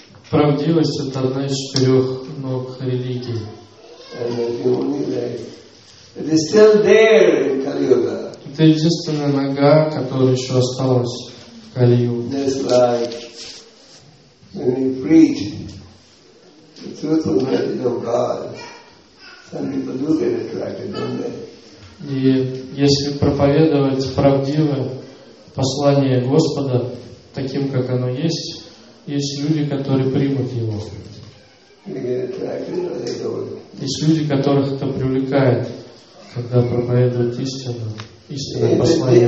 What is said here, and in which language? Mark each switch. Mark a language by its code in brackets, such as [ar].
[ru] Правдивость – это одна из четырех ног религии. [en] It is still there in Kali Yuga. [ru] Это единственная нога, которая еще осталась в Кали Юге. [en] That's like when we preach the truthful message of God, some people do get attracted, don't they? [ru] И если проповедовать правдивое послание Господа таким, как оно есть, есть люди, которые примут его. [en] They get attracted, or they don't. [ru] Есть люди, которых это привлекает. Когда проповедуют истину, истинное послание